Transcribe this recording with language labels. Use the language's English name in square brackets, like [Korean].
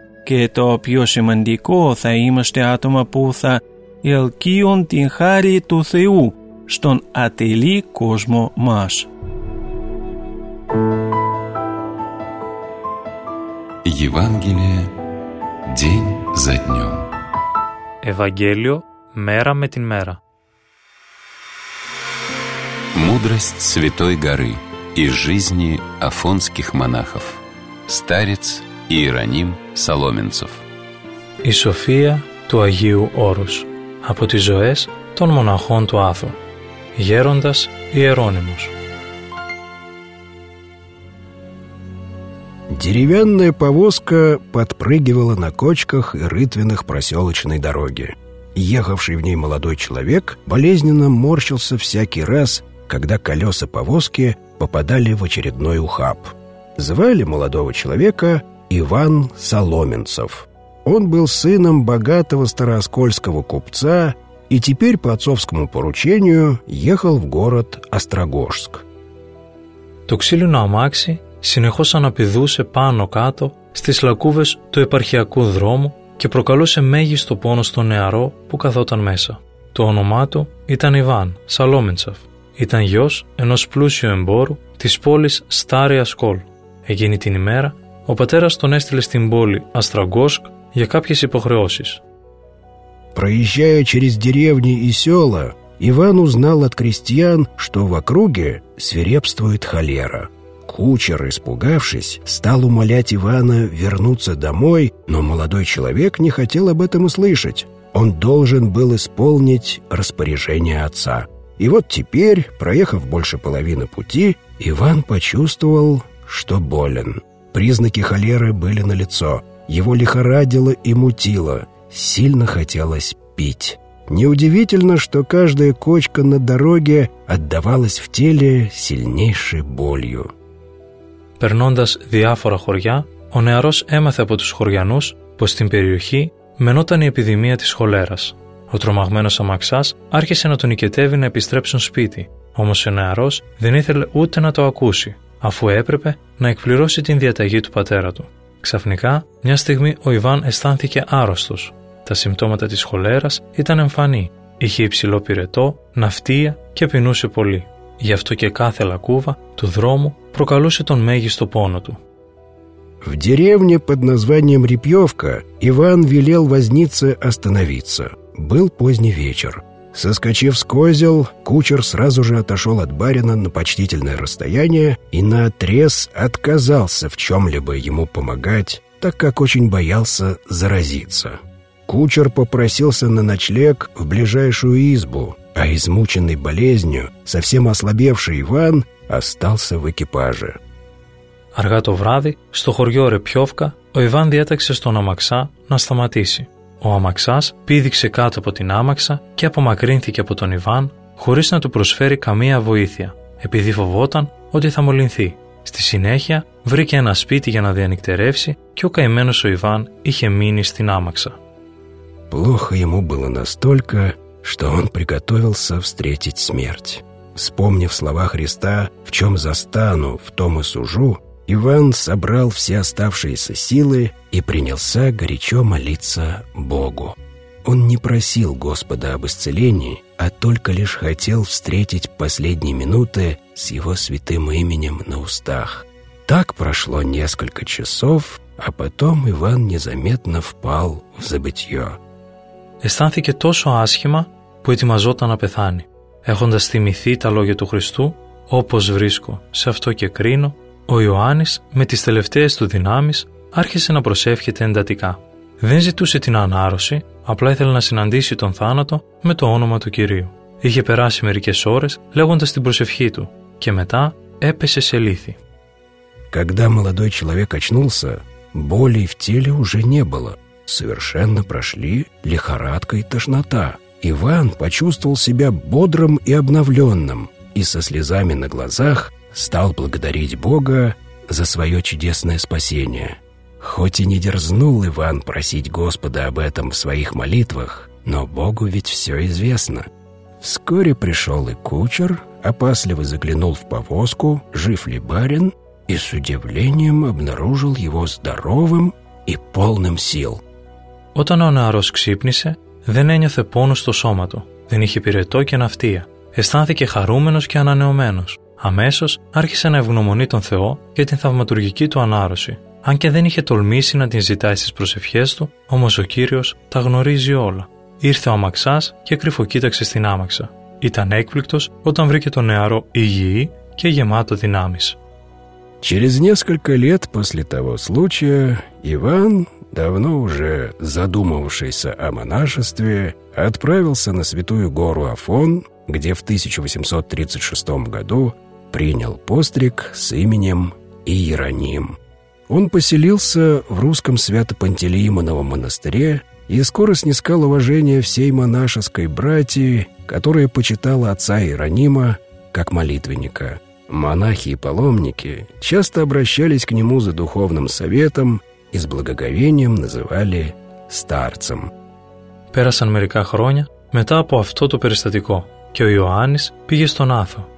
[Greek] Και το πιο σημαντικό θα είμαστε άτομα που θα ελκύουν την χάρη του Θεού στον ατελή κόσμο μας. [Russian] Евангелие день за днем. [Greek] Ευαγγέλιο μέρα με την μέρα. [Russian] Мудрость Святой Горы и жизни афонских монахов. Старец Иероним Соломенцев. [Greek] Η σοφία του Αγίου Όρους από τις ζωές των μοναχών του Άθου. Γέροντας Ιερώνυμος. [Russian] Деревянная повозка подпрыгивала на кочках и рытвинах проселочной дороги. Ехавший в ней молодой человек болезненно морщился всякий раз, когда колеса повозки попадали в очередной ухаб. Звали молодого человека Иван Соломенцев. Он был сыном богатого староскольского купца и теперь по отцовскому поручению ехал в город Острогожск. [Greek] Το ξύλινο αμάξι συνεχώς αναπηδούσε πάνω-κάτω στις λακκούβες του επαρχιακού δρόμου και προκαλούσε μέγιστο πόνο στο νεαρό που καθόταν μέσα. Το όνομά του ήταν Ιβάν Σαλόμεντσεφ. Ήταν γιος ενός πλούσιου εμπόρου της πόλης Στάρια Σκόλ. Εκείνη την ημέρα ο πατέρας τον έστειλε στην πόλη Αστραγκόσκ για κάποιες υποχρεώσεις. [Russian] Проезжая через деревни и села, Иван узнал от крестьян, что в округе свирепствует холера. Кучер, испугавшись, стал умолять Ивана вернуться домой, но молодой человек не хотел об этом услышать. Он должен был исполнить распоряжение отца. И вот теперь, проехав больше половины пути, Иван почувствовал, что болен. Признаки холеры были налицо. Его лихорадило и мутило. Сильно хотелось пить. Неудивительно, что каждая кочка на дороге отдавалась в теле сильнейшей болью. [Greek] Περνώντας διάφορα χωριά, ο νεαρός έμαθε από τους χωριανούς πως στην περιοχή μενόταν η επιδημία της χολέρας. Ο τρομαγμένος αμαξάς άρχισε να τον οικετεύει να επιστρέψουν σπίτι. Όμως ο νεαρός δεν ήθελε ούτε να το ακούσει, αφού έπρεπε να εκπληρώσει την διαταγή του πατέρα του. Ξαφνικά, μια στιγμή ο Ιβάν αισθάνθηκε άρρωστος. Τα συμπτώματα της χολέρας ήταν εμφανή. Είχε υψηλό πυρετό, ναυτία και πεινούσε πολύ. Γι' αυτό και κάθε λακκούβα του δρόμου προκαλούσε τον μέγιστο πόνο του. [Russian] В деревне под названием Репьевка Иван велел вознице остановиться. Был поздний вечер. Соскочив с козел, кучер сразу же отошел от барина на почтительное расстояние и наотрез отказался в чем-либо ему помогать, так как очень боялся заразиться. Кучер попросился на ночлег в ближайшую избу, а измученный болезнью, совсем ослабевший Иван остался в экипаже. [Greek] Αργά το βράδυ, στο χωριό Ρεπιόφκα, ο Ιβάν διέταξε στον αμαξά να σταματήσει. Ο αμαξάς πήδηξε κάτω από την άμαξα και απομακρύνθηκε από τον Ιβάν χωρίς να του προσφέρει καμία βοήθεια, επειδή φοβόταν ότι θα μολυνθεί. Στη συνέχεια βρήκε ένα σπίτι για να διανυκτερεύσει και ο καημένος ο Ιβάν είχε μείνει στην άμαξα. [Russian] Плохо ему было настолько, что он приготовился встретить смерть. Вспомнив слова Христа, в чем застану, в том и сужу, Иван собрал все оставшиеся силы и принялся горячо молиться Богу. Он не просил Господа об исцелении, а только лишь хотел встретить последние минуты с его святым именем на устах. Так прошло несколько часов, а потом Иван незаметно впал в забытье. [Greek] αισθάνθηκε τόσο άσχημα που ετοιμαζόταν να πεθάνει. Έχοντας θυμηθεί τα λόγια του Χριστού, «Όπως βρίσκω, σε αυτό και κρίνω», ο Ιωάννης, με τις τελευταίες του δυνάμεις, άρχισε να προσεύχεται εντατικά. Δεν ζητούσε την ανάρρωση, απλά ήθελε να συναντήσει τον θάνατο με το όνομα του Κυρίου. Είχε περάσει μερικές ώρες λέγοντας την προσευχή του και μετά έπεσε σε λύθη. [Russian] Когда молодой человек очнулся, боли в теле уже не было. Совершенно прошли лихорадка и тошнота. Иван почувствовал себя бодрым и обновленным и со слезами на глазах стал благодарить Бога за свое чудесное спасение. Хоть и не дерзнул Иван просить Господа об этом в своих молитвах, но Богу ведь все известно. Вскоре пришел и кучер, опасливо заглянул в повозку, жив ли барин, и с удивлением обнаружил его здоровым и полным сил. [Greek] Όταν ο νεαρός ξύπνησε, δεν ένιωθε πόνο στο σώμα του, δεν είχε πυρετό και ναυτία. Αισθάνθηκε χαρούμενος και ανανεωμένος. Αμέσως άρχισε να ευγνωμονεί τον Θεό για την θαυματουργική του ανάρρωση. Αν και δεν είχε τολμήσει να την ζητάει στις προσευχές του, όμως ο Κύριος τα γνωρίζει όλα. Ήρθε ο αμαξάς και κρυφοκοίταξε στην άμαξα. Ήταν έκπληκτος όταν βρήκε τον νεαρό υγιή και γεμάτο δυνάμεις. [Russian] Через несколько лет после того случая Иван, давно уже задумывавшийся о монашестве, отправился на святую гору Афон, где в 1836 году принял постриг с именем Иероним. Он поселился в русском Свято-Пантелеимоновом монастыре и скоро снискал уважение всей монашеской братии, которая почитала отца Иеронима как молитвенника. Монахи и паломники часто обращались к нему за духовным советом и с благоговением называли старцем. [Greek] Πέρασαν μερικά χρόνια μετά από αυτό το περιστατικό και ο Ιωάννης πήγε στον Άθο.